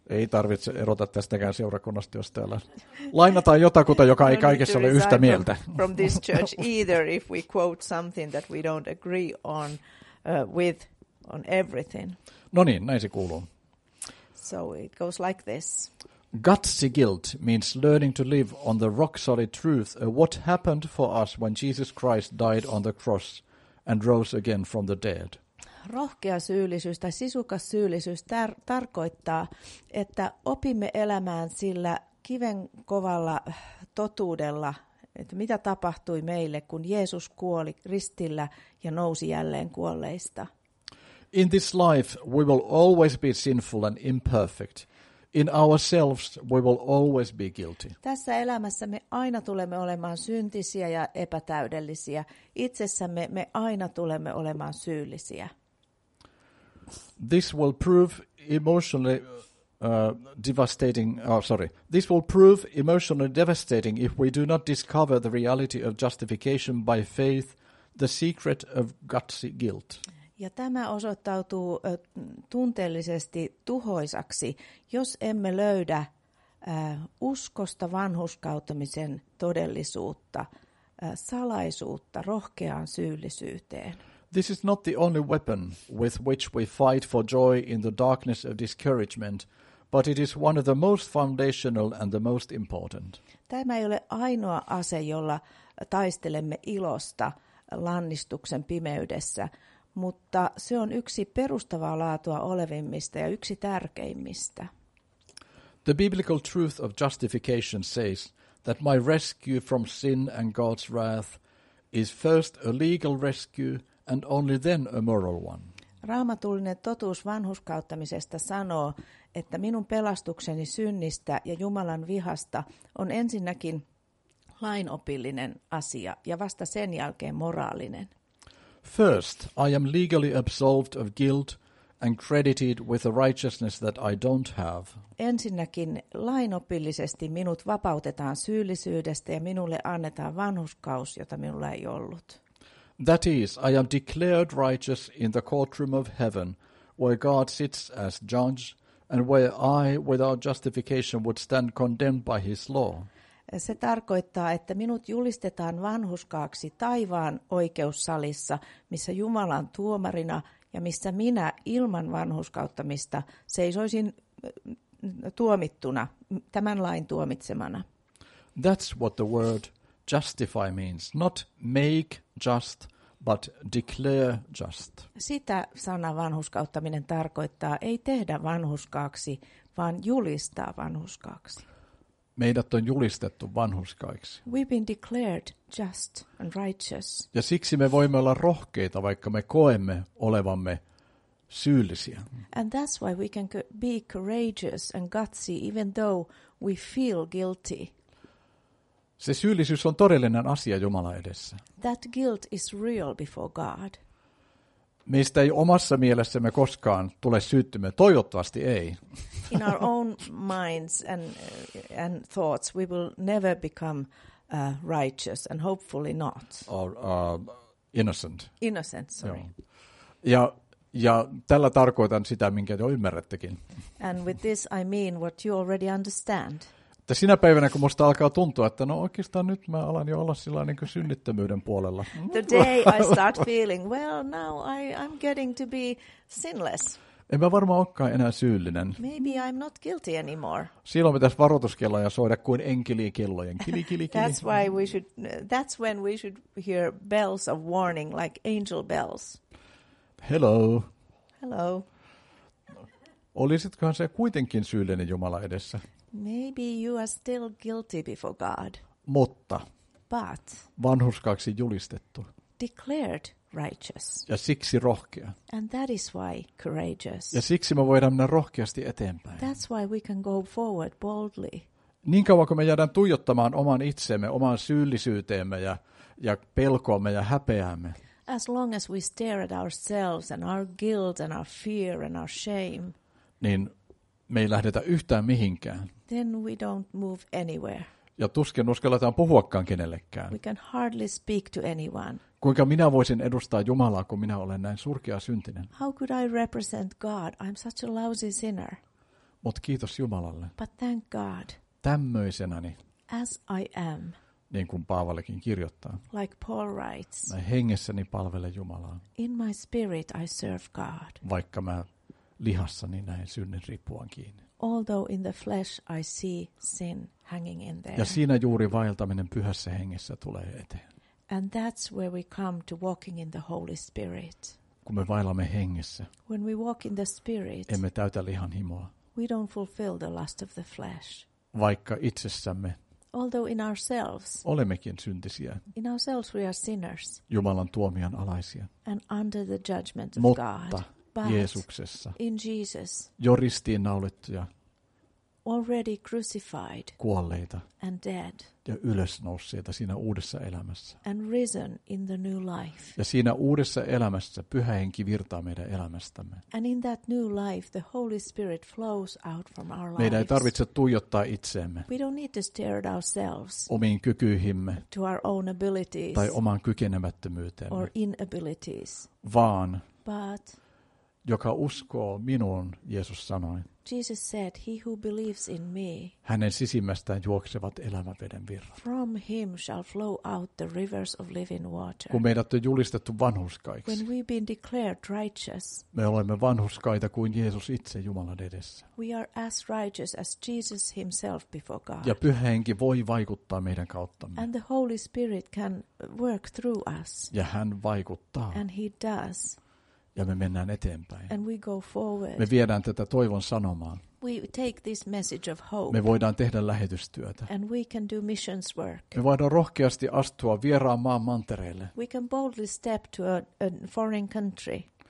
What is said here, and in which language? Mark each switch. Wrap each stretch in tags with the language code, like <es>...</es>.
<fi>Ei tarvitse erota tästäkään seurakunnasta, jos täällä lainataan jotakuta, joka ei kaikessa ole yhtä mieltä.</fi> <en>From this church either if we quote something that we don't agree on with on everything.</en> <fi>No niin, näin se kuuluu.</fi> <en>So it goes like this. Gutsy guilt means learning to live on the rock solid truth of what happened for us when Jesus Christ died on the cross and rose again from the dead.</en> <fi>Rohkea syyllisyys tai sisukas syyllisyys tarkoittaa, että opimme elämään sillä kiven kovalla totuudella, että mitä tapahtui meille, kun Jeesus kuoli ristillä ja nousi jälleen kuolleista.</fi> <en>In this life we will always be sinful and imperfect. In ourselves we will always be guilty.</en> <fi>Tässä elämässä me aina tulemme olemaan syntisiä ja epätäydellisiä. Itsessämme me aina tulemme olemaan syyllisiä.</fi> <en>This will prove emotionally devastating. This will prove emotionally devastating if we do not discover the reality of justification by faith, the secret of gutsy guilt.</en> <fi>Ja tämä osoittautuu tunteellisesti tuhoisaksi, jos emme löydä uskosta vanhurskauttamisen todellisuutta, salaisuutta rohkeaan syyllisyyteen.</fi> <en>This is not the only weapon with which we fight for joy in the darkness of discouragement, but it is one of the most foundational and the most important.</en> <fi>Tämä ei ole ainoa ase, jolla taistelemme ilosta lannistuksen pimeydessä, mutta se on yksi perustavaa laatua olevimmista ja yksi tärkeimmistä.</fi> <en>The biblical truth of justification says that my rescue from sin and God's wrath is first a legal rescue and only then a moral one.</en> <fi>Raamatullinen totuus vanhurskauttamisesta sanoo, että minun pelastukseni synnistä ja Jumalan vihasta on ensinnäkin lainopillinen asia ja vasta sen jälkeen moraalinen.</fi> <en>First, I am legally absolved of guilt and credited with a righteousness that I don't have.</en> <fi>Ensinnäkin lainopillisesti minut vapautetaan syyllisyydestä ja minulle annetaan vanhurskaus, jota minulla ei ollut.</fi> <en>That is, I am declared righteous in the courtroom of heaven, where God sits as judge, and where I, without justification, would stand condemned by his law.</en> <fi>Se tarkoittaa, että minut julistetaan vanhurskaaksi taivaan oikeussalissa, missä Jumala on tuomarina ja missä minä ilman vanhurskauttamista seisoisin tuomittuna, tämän lain tuomitsemana.</fi> <en>That's what the word justify means, not make just, but declare just.</en> <fi>Sitä sana vanhurskauttaminen tarkoittaa, ei tehdä vanhurskaaksi, vaan julistaa vanhurskaaksi. Meidät on julistettu vanhurskaiksi.</fi> <en>We've been declared just and righteous.</en> <fi>Ja siksi me voimme olla rohkeita, vaikka me koemme olevamme syyllisiä.</fi> <en>And that's why we can be courageous and gutsy even though we feel guilty.</en> <fi>Se syyllisyys on todellinen asia Jumala edessä.</fi> <en>That guilt is real before God.</en> <fi>Meistä ei omassa mielessämme koskaan tule syyttymään. Toivottavasti ei.</fi> <en>In our own minds and thoughts we will never become righteous and hopefully not. Or innocent. Innocent, sorry.</en> <fi>Ja tällä tarkoitan sitä, minkä jo ymmärrättekin.</fi> <en>And with this I mean what you already understand.</en> <fi>Että sinä päivänä, kun musta alkaa tuntua, että no oikeastaan nyt mä alan jo olla sillä niin kuin synnittömyyden puolella.</fi> <en>The day I start feeling, well now I'm getting to be sinless.</en> <fi>En mä varmaan olekaan enää syyllinen.</fi> <en>Maybe I'm not guilty anymore.</en> <fi>Silloin pitäisi varoituskelloja soida kuin enkelikellojen. Kili, kili, kili.</fi> <en>That's when we should hear bells of warning, like angel bells. Hello. Hello.</en> <fi>Olisitkohan se kuitenkin syyllinen Jumala edessä?</fi> <en>Maybe you are still guilty before God.</en> <fi>Mutta.</fi> <en>But.</en> <fi>Vanhurskaaksi julistettu.</fi> <en>Declared righteous.</en> <fi>Ja siksi rohkea.</fi> <en>And that is why courageous.</en> <fi>Ja siksi me voidaan mennä rohkeasti eteenpäin.</fi> <en>That's why we can go forward boldly.</en> <fi>Niin kauan kun me jäädään tuijottamaan oman itseemme, oman syyllisyyteemme ja pelkoamme ja häpeäämme.</fi> <en>As long as we stare at ourselves and our guilt and our fear and our shame.</en> <fi>Niin. Me ei lähdetä yhtään mihinkään.</fi> <en>Then we don't move anywhere.</en> <fi>Ja tuskin uskalletaan puhuakaan kenellekään.</fi> <en>We can hardly speak to anyone.</en> <fi>Kuinka minä voisin edustaa Jumalaa, kun minä olen näin surkea syntinen?</fi> <en>How could I represent God? I'm such a lousy sinner.</en> <fi>Mut kiitos Jumalalle.</fi> <en>But thank God.</en> <fi>Tämmöisenäni.</fi> <en>As I am.</en> <fi>Niin kuin Paavallikin kirjoittaa.</fi> <en>Like Paul writes.</en> <fi>Mä hengessäni palvelen Jumalaa.</fi> <en>In my spirit I serve God.</en> <fi>Vaikka mä lihassani näin synnin riippuvan kiinni.</fi> <en>Although in the flesh I see sin hanging in there.</en> <fi>Ja siinä juuri vaeltaminen pyhässä hengessä tulee eteen.</fi> <en>And that's where we come to walking in the Holy Spirit.</en> <fi>Kun me vaellamme hengessä.</fi> <en>When we walk in the Spirit.</en> <fi>Emme täytä lihan himoa.</fi> <en>We don't fulfill the lust of the flesh.</en> <fi>Vaikka itsessämme.</fi> <en>Although in ourselves.</en> <fi>Olemmekin syntisiä.</fi> <en>In ourselves we are sinners.</en> <fi>Jumalan tuomion alaisia.</fi> <en>And under the judgment of</en> <fi>Mutta</fi> <en>God.</en> <fi>Jeesuksessa.</fi> <en>In Jesus.</en> <fi>Jo ristiin naulittuja.</fi> <en>Already crucified.</en> <fi>Kuolleita.</fi> <en>And dead.</en> <fi>Ja ylösnousseita siinä uudessa elämässä.</fi> <en>And risen in the new life.</en> <fi>Ja siinä uudessa elämässä pyhä henki virtaa meidän elämästämme.</fi> <en>And in that new life the Holy Spirit flows out from our lives.</en> <fi>Meidän ei tarvitse tuijottaa itseemme.</fi> <en>We don't need to stare at ourselves.</en> <fi>Omiin kykyihimme.</fi> <en>To our own abilities.</en> <fi>Tai omaan kykenemättömyyteemme.</fi> <en>Or inabilities.</en> <fi>Vaan.</fi> <en>But.</en> <fi>Joka uskoo minuun, Jeesus sanoi.</fi> <en>Jesus said, he who believes in me.</en> <fi>Hänen sisimmästään juoksevat elämäveden virrat.</fi> <en>From him shall flow out the rivers of living water.</en> <fi>Kun meidät on julistettu vanhurskaiksi.</fi> <en>When we've been declared righteous.</en> <fi>Me olemme vanhurskaita kuin Jeesus itse Jumalan edessä.</fi> <en>We are as righteous as Jesus himself before God.</en> <fi>Ja pyhä henki voi vaikuttaa meidän kauttamme.</fi> <en>And the Holy Spirit can work through us.</en> <fi>Ja hän vaikuttaa.</fi> <en>And he does.</en> <fi>Ja me mennään eteenpäin.</fi> <en>And we go forward.</en> <fi>Me viedään tätä toivon sanomaa.</fi> <en>We take this message of hope.</en> <fi>Me voidaan tehdä lähetystyötä.</fi> <en>And we can do missions work.</en> <fi>Me voidaan rohkeasti astua vieraan maan mantereelle.</fi> <en>We can boldly step to a foreign country.</en>